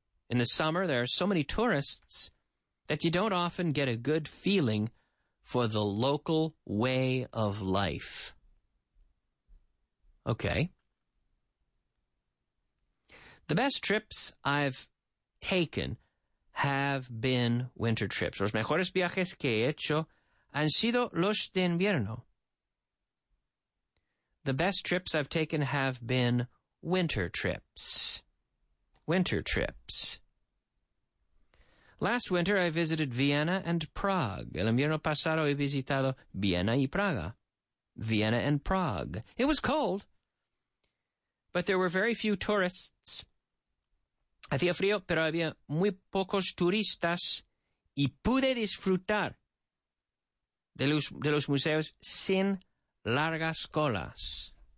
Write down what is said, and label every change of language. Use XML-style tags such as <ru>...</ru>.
<en>In the summer, there are so many tourists that you don't often get a good feeling for the local way of life. Okay. The best trips I've taken have been winter trips.</en> <es>Los mejores viajes que he hecho han sido los de invierno.</es> <en>The best trips I've taken have been winter trips. Winter trips. Last winter, I visited Vienna and Prague.</en> <es>El invierno pasado, he visitado Vienna y Praga. Vienna and Prague.</es> <en>It was cold, but there were very few tourists.</en> <es>Hacía frío, pero había muy pocos turistas. Y pude disfrutar de los museos sin largas colas.</es>